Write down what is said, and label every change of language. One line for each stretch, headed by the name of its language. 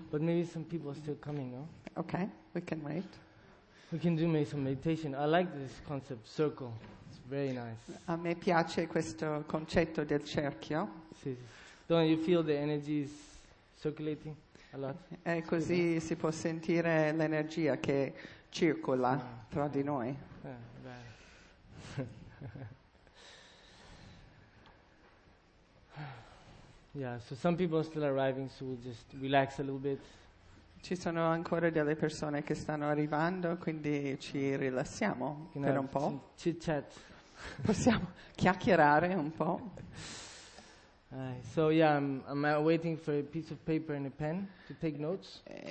English: But maybe some people are still coming, no? Okay, we can wait. We can do maybe some meditation. I like this concept, circle. It's very nice.
Italian: A me piace questo concetto del cerchio. Sì, sì.
English: Don't you feel the energy is circulating a lot?
Italian: È così, yeah. Si può sentire l'energia che circola tra di noi.
English: Yeah, yeah, so some people are still arriving, so we'll just relax a little bit.
Italian: Ci sono ancora delle persone che stanno arrivando, quindi ci rilassiamo per un po'.
English: Chit-chat.
Italian: Possiamo chiacchierare un po'.
English: So yeah, I'm waiting for a piece of paper and a pen to take notes.